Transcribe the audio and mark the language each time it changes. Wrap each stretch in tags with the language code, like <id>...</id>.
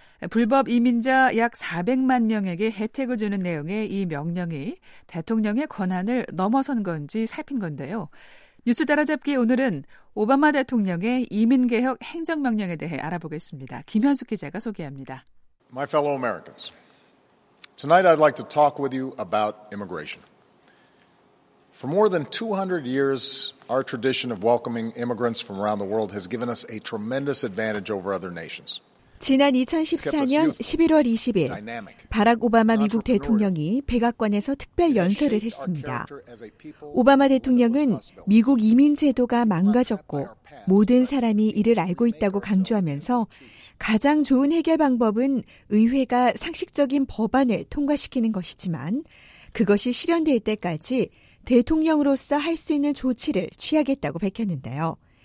<ko>불법 이민자 약 400만 명에게 혜택을 주는 내용의 이 명령이 대통령의 권한을 넘어선 건지 살핀 건데요. 뉴스 따라잡기 오늘은 오바마 대통령의 이민개혁 행정명령에 대해 알아보겠습니다. 김현숙 기자가 소개합니다.</ko> <en>My fellow Americans. Tonight I'd like to talk with you about immigration. For more than 200 years, our tradition of welcoming immigrants from around the world has given us a tremendous advantage over other nations.</en> <ko>지난 2014년 11월 20일, 바락 오바마 미국 대통령이 백악관에서 특별 연설을 했습니다. 오바마 대통령은 미국 이민 제도가 망가졌고 모든 사람이 이를 알고 있다고 강조하면서 가장 좋은 해결 방법은 의회가 상식적인 법안을 통과시키는 것이지만 그것이 실현될 때까지 대통령으로서 할 수 있는 조치를 취하겠다고 밝혔는데요.</ko>